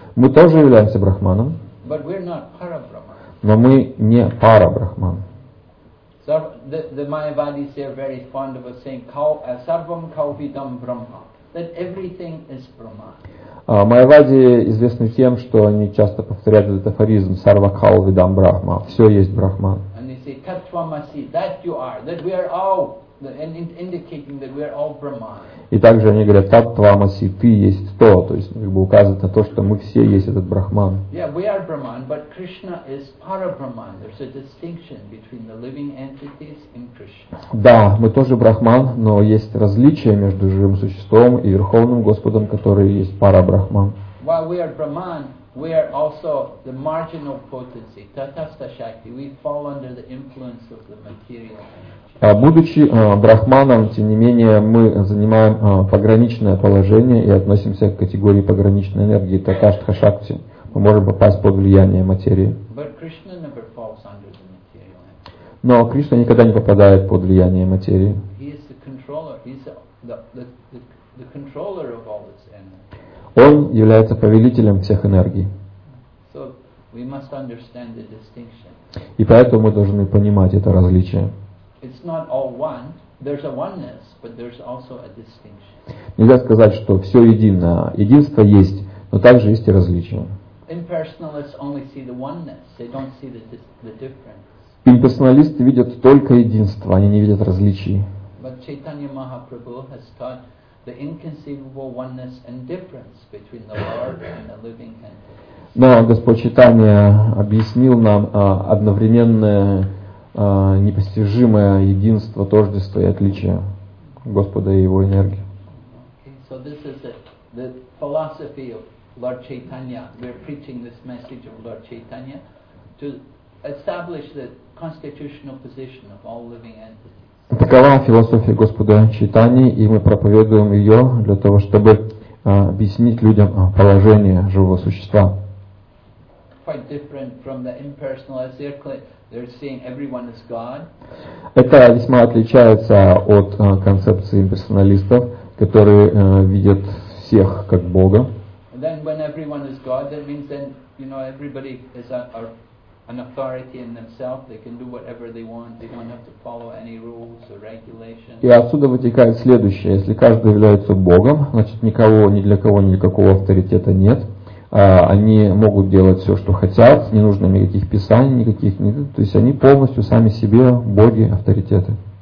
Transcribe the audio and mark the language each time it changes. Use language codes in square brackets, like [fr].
[ru] Мы тоже являемся Брахманом, [en] but we're not Para-Brahman. [ru] Но мы не Пара-Брахман. [en] So the Mayavadis are very fond of saying, [sa] Sarvam Kauvidam Brahma, [en] that everything is Brahman. [ru] Майавади известны тем, что они часто повторяют этот афоризм [sa] «Сарва кхал видам брахма» [ru] – «Все есть брахман». И также они говорят [sa] «Тат тва маси» [ru] – «Ты есть то», то есть как бы указывает на то, что мы все есть этот брахман. [en] Yeah, we are brahman, but Krishna is para-brahman. There's a distinction between the living entities in Krishna. [ru] Да, мы тоже брахман, но есть различие между живым существом и Верховным Господом, который есть пара-брахман. [en] While we are brahman, we are also the marginal potency, tatastha shakti. We fall under the influence of the material energy. [ru] Будучи брахманом, тем не менее, мы занимаем пограничное положение и относимся к категории пограничной энергии, tatastha shakti. Мы можем попасть под влияние материи. [en] But Krishna never falls under the material energy. [ru] Но Кришна никогда не попадает под влияние материи. [en] He is the controller. He's the controller of all its energy. [ru] Он является повелителем всех энергий. [en] So we must understand the distinction. [ru] И поэтому мы должны понимать это различие. [en] It's not all one. There's a oneness, but there's also a distinction. [ru] Нельзя сказать, что все едино. Единство есть, но также есть и различия. [en] Impersonalists only see the oneness. They don't see the difference. [ru] Имперсоналисты видят только единство, они не видят различий. [en] But Chaitanya Mahaprabhu has taught the inconceivable oneness and difference between the Lord and the living entity. [ru] Но Господь Чайтанья объяснил нам одновременное непостижимое единство, тождество и отличие Господа и его энергии. [en] Okay, so this is the philosophy of Lord Chaitanya. We're preaching this message of Lord Chaitanya to establish the constitutional position of all living entities. [ru] Такова философия Господа Чайтаньи, и мы проповедуем ее для того, чтобы объяснить людям положение живого существа. [en] Quite different from the impersonalist. They're seeing everyone as God. [ru] Это весьма отличается от концепции имперсоналистов, которые видят всех как Бога. [en] And then when everyone is God, that means then, you know, everybody is an authority in themselves. They can do whatever they want. They don't have to follow any rules or regulations. [ru] И отсюда вытекает следующее: если каждый является Богом, значит никого, ни для кого, никакого авторитета нет. Они могут делать все, что хотят, не нужно никаких писаний, никаких, то есть они полностью сами себе боги, авторитеты.